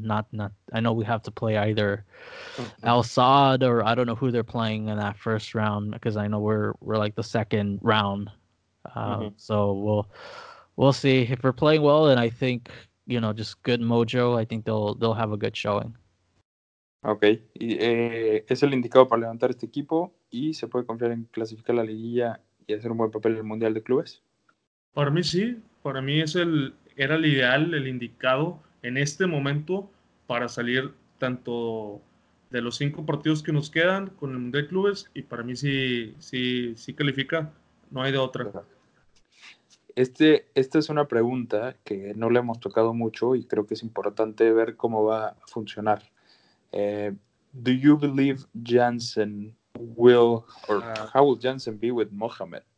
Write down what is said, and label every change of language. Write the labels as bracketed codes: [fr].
[en] Not I know we have to play either Al Sadd or I don't know who they're playing in that first round, because I know we're like the second round. So we'll see. If we're playing well, then I think, you know, just good mojo, I think they'll have a good showing. Okay. [es] Es el indicado para levantar este equipo y se puede confiar en clasificar la liguilla y hacer un buen papel en el Mundial de Clubes. Para mí sí. Para mí era el ideal, el indicado en este momento para salir tanto de los 5 partidos que nos quedan con el Mundial de Clubes, y para mí sí califica. No hay de otra. Esta es una pregunta que no le hemos tocado mucho y creo que es importante ver cómo va a funcionar. [en] Do you believe Jansen will, or how will Jansen be with Mohamed?